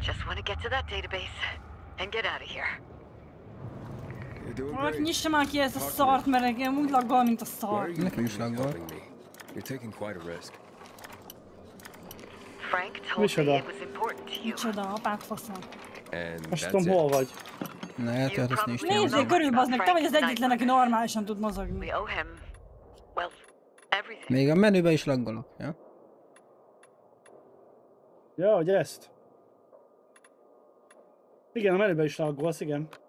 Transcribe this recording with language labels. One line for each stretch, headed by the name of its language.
English: Just want to get to that database and get out of here. You're doing great.
Hungarian: Nyissa már ki ezt a szart, mert engem úgy laggol, mint a szart. Nekem is laggol.
English: You're taking quite a risk. Frank told me it was important to you.
Hungarian: Micsoda, apát faszom. Most tudom, hol vagy. Ne, eltölt azt nincs tényleg. Nézzél, körülbaznak, te vagy az egyetlen, aki normálisan tud mozogni.
English: We owe him. Well, everything.
Hungarian: Még a menübe is laggolok, ja? Ja, hogy ezt? Igen, a menübe is laggolsz, igen.